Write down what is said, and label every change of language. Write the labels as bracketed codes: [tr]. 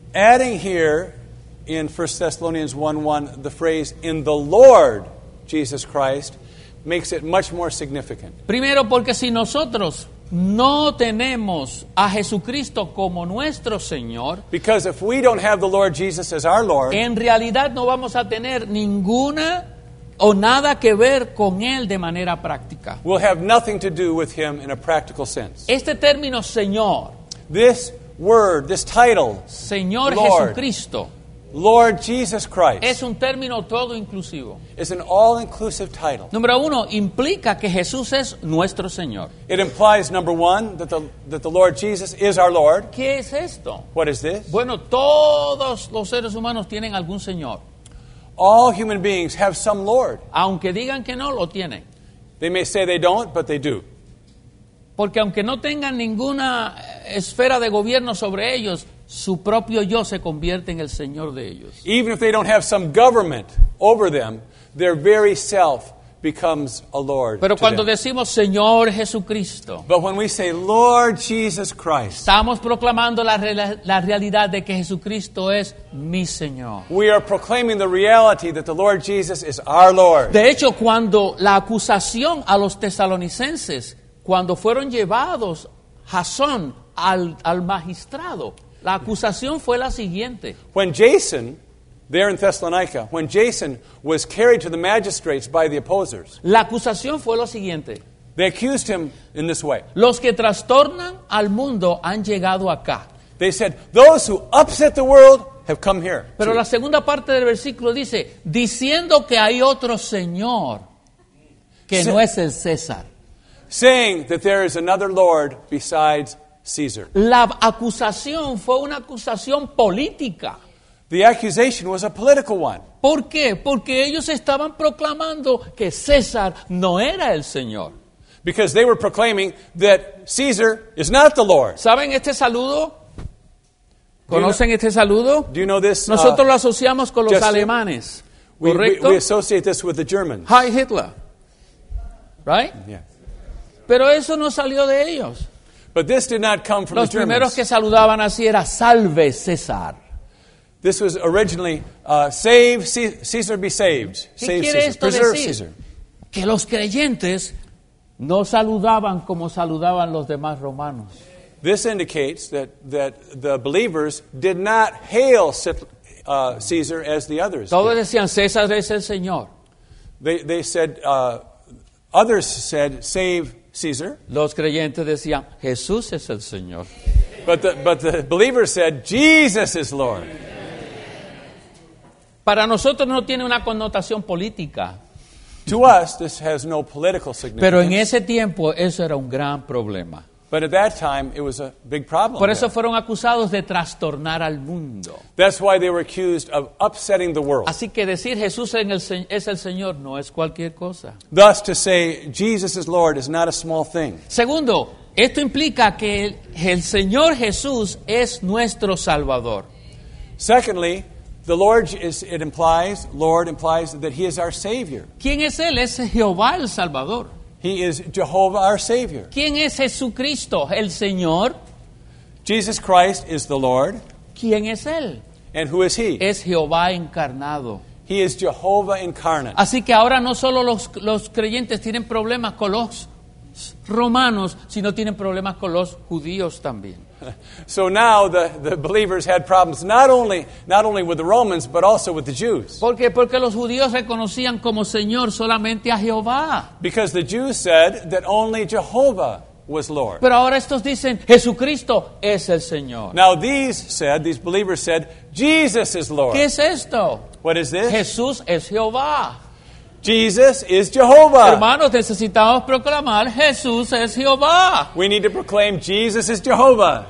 [en] Adding here, in 1 Thessalonians 1:1, the phrase, in the Lord Jesus Christ, makes it much more significant. [es] Primero, porque si nosotros no tenemos a Jesucristo como nuestro Señor, [en] because if we don't have the Lord Jesus as our Lord, [es] en realidad no vamos a tener ninguna o nada que ver con Él de manera práctica. [en] We'll have nothing to do with Him in a practical sense. [es] Este término Señor, [en] this word, this title, [es] Señor Jesucristo, [en] Lord Jesus Christ, [es] es un término todo inclusivo. [en] It's an all-inclusive title. [es] Número uno, implica que Jesús es nuestro Señor. [en] It implies, number one, that the Lord Jesus is our Lord. [es] ¿Qué es esto? [en] What is this? [es] Bueno, todos los seres humanos tienen algún Señor. [en] All human beings have some Lord. [es] Aunque digan que no, lo tienen. [en] They may say they don't, but they do. [es] Porque aunque no tengan ninguna esfera de gobierno sobre ellos, su propio yo se convierte en el señor de ellos. [en] Even if they don't have some government over them, their very self becomes a lord. [es] Pero cuando decimos Señor Jesucristo, [en] but when we say Lord Jesus Christ, [es] estamos proclamando la realidad de que Jesucristo es mi Señor. [en] We are proclaiming the reality that the Lord Jesus is our Lord. [es] De hecho, cuando la acusación a los tesalonicenses, cuando fueron llevados Jasón al magistrado, la acusación fue la siguiente. [en] When Jason, there in Thessalonica, when Jason was carried to the magistrates by the opposers, [es] la acusación fue lo siguiente. [en] They accused him in this way. [es] Los que trastornan al mundo han llegado acá. [en] They said, those who upset the world have come here. [es] Pero la segunda parte del versículo dice, diciendo que hay otro señor que no es el César. [en] Saying that there is another Lord besides Caesar. [es] La acusación fue una acusación política. [en] The accusation was a political one. [es] ¿Por qué? Porque ellos estaban proclamando que César no era el Señor. [en] Because they were proclaiming that Caesar is not the Lord. [es] ¿Saben este saludo? ¿Conocen este saludo? [en] Do you know this? [es] Nosotros lo asociamos con los alemanes. ¿Correcto? [en] We associate this with the Germans. Hi Hitler. Right? Yeah. [es] Pero eso no salió de ellos. [en] But this did not come from [es] los [en] the Germans. [es] Los primeros que saludaban así era Salve César. [en] This was originally save Caesar be saved. Save Caesar. Esto preserve decir? Caesar. [es] Que los creyentes no saludaban como saludaban los demás romanos. [en] This indicates that the believers did not hail Caesar as the others. [es] Todos decían César es el Señor. [en] They said others said save Caesar. [es] Los creyentes decían, Jesús es el Señor. [en] But the believers said, Jesus is Lord. [es] Para nosotros no tiene una connotación política. [en] To us, this has no political significance. [es] Pero en ese tiempo, eso era un gran problema. [en] But at that time, it was a big problem. [es] Por eso fueron acusados de trastornar al mundo. [en] That's why they were accused of upsetting the world. [es] Así que decir Jesús es el Señor no es cualquier cosa. [en] Thus, to say Jesus is Lord is not a small thing. [es] Segundo, esto implica que el Señor Jesús es nuestro Salvador. [en] Secondly, the Lord is it implies Lord implies that He is our Savior. [es] ¿Quién es él? Es Jehová el Salvador. [en] He is Jehovah our Savior. [es] ¿Quién es Jesucristo, el Señor? [en] Jesus Christ is the Lord. [es] ¿Quién es él? [en] And who is he? [es] Es Jehová encarnado. [en] He is Jehovah incarnate. [es] Así que ahora no solo los creyentes tienen problemas con los romanos, sino tienen problemas con los judíos también. [en] So now the believers had problems not only with the Romans but also with the Jews. [es] Porque los judíos reconocían como Señor solamente a Jehová. [en] Because the Jews said that only Jehovah was Lord. [es] Pero ahora estos dicen Jesucristo es el Señor. [en] Now these believers said Jesus is Lord. [es] ¿Qué es esto? [en] What is this? [es] Jesús es Jehová. [en] Jesus is Jehovah. [es] Hermanos, necesitamos proclamar Jesús es Jehová. [en] We need to proclaim Jesus is Jehovah.